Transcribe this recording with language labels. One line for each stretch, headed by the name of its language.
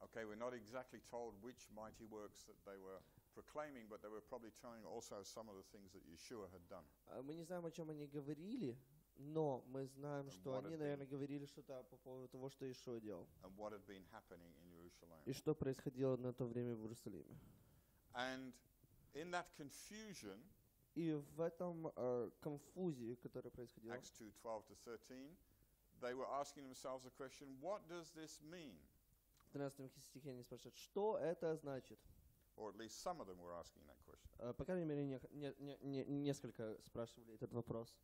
English: Okay, we're not exactly told which mighty works that they were proclaiming, but they were probably telling also some of the things that Yeshua had done.
Russian: Мы не знаем, о чем они говорили, но мы знаем, что они, наверное, говорили что-то по поводу того, что Иешуа делал.
English: And what had been happening in Jerusalem.
Russian: И что происходило на то время в Иерусалиме.
English: And in that confusion,
Russian: и в этом конфузии, которая происходила,
English: Acts 2:12-13, they were asking themselves a question, what does this mean?
Russian: В 13 стихе они спрашивают, что это значит?
English: Or at least some of them were asking that question.
Russian: По крайней мере, несколько спрашивали этот вопрос.